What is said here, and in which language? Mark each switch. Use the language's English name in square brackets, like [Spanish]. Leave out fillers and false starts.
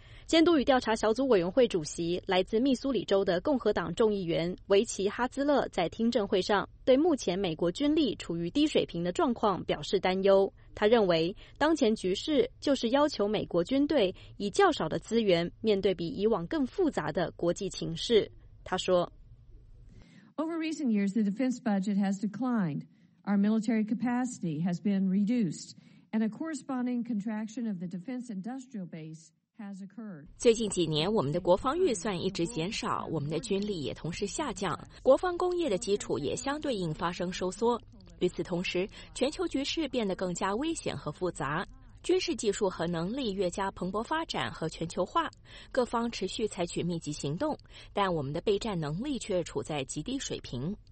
[Chinese] 监督与调查小组委员会主席来自密苏里州的共和党众议员维奇·哈兹勒在听证会上对目前美国军力处于低水平的状况表示担忧。他认为当前局势就是要求美国军队以较少的资源面对比以往更复杂的国际情势。他说 [English] Over recent years, the defense budget has declined. Our military capacity has been reduced, and a corresponding contraction of the defense industrial base. [Chinese] 最近几年，我们的国防预算一直减少，我们的军力也同时下降，国防工业的基础也相对应发生收缩。与此同时，全球局势变得更加危险和复杂，军事技术和能力越加蓬勃发展和全球化，各方持续采取密集行动，但我们的备战能力却处在极低水平。